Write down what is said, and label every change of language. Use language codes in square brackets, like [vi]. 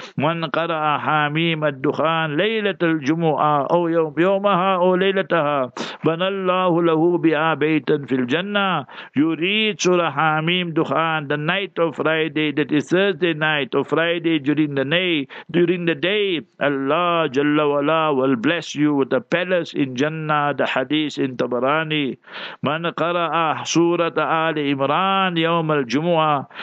[ar] من قرأ حاميم الدخان ليلة الجمعة أو يومها أو ليلتها بنى الله له بها بيتا في الجنة. [en] You read Surah Hamim Dukhan, the night of Friday, that is Thursday night or Friday during the day, Allah Jalla Wala will bless you with a palace in Jannah, the hadith in Tabarani. [ar] من قرأ سورة آل عمران يوم الجمعة.